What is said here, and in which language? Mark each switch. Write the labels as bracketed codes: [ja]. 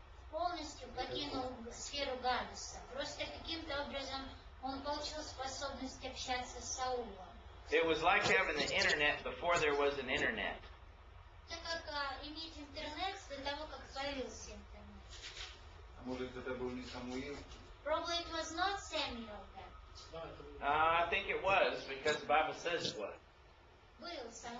[ru] Полностью покинул сферу Гадеса. Просто каким-то образом он получил способность общаться с Саулом. [en] It was like having the internet before there was an internet. [ru] Это как иметь интернет до того, как появился интернет. А может, это был не Самуил? [en] Probably it was not Samuel. I think it was, because the Bible says it was.